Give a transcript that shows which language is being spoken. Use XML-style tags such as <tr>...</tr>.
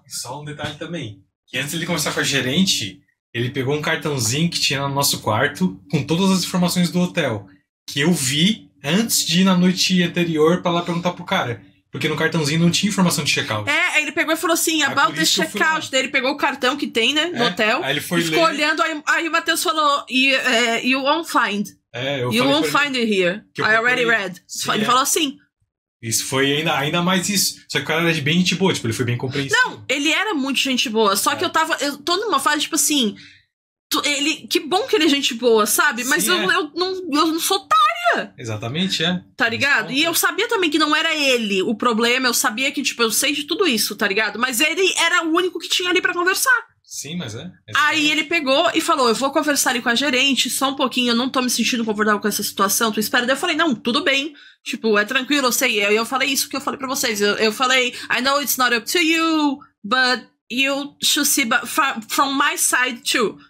<pt>Só um detalhe também, que antes de ele conversar com a gerente, ele pegou um cartãozinho que tinha no nosso quarto, com todas as informações do hotel, que eu vi antes de ir na noite anterior pra lá perguntar pro cara. Porque no cartãozinho não tinha informação de check-out. É, ele pegou e falou assim,</pt> <en>about the check-out.</en> <pt>Daí ele pegou o cartão que tem, né, no hotel. Aí ele foi ficou ler. Olhando, aí o Matheus falou,</pt> <en>you won't find.</en> <pt>É, eu</pt> <en>you</en> <pt>falei</pt> <en>won't find it here. I already read.</en> <pt>Sim, ele falou assim. Isso foi ainda mais isso. Só que o cara era de bem gente boa, tipo, ele foi bem compreensível. Não, ele era muito gente boa. Só que eu tô numa fase, tipo assim, ele, que bom que ele é gente boa, sabe? Mas sim, eu não sou tão. Exatamente, é. Tá ligado? E eu sabia também que não era ele o problema. Eu sabia que, tipo, eu sei de tudo isso, tá ligado? Mas ele era o único que tinha ali pra conversar. Sim, mas é. Aí ele pegou e falou, eu vou conversar ali com a gerente, só um pouquinho, eu não tô me sentindo confortável com essa situação, tu espera. Daí eu falei, não, tudo bem. Tipo, é tranquilo, eu sei. E eu falei isso que eu falei pra vocês. Eu falei,</pt> <en>I know it's not up to you, but you should see from my side too.</en>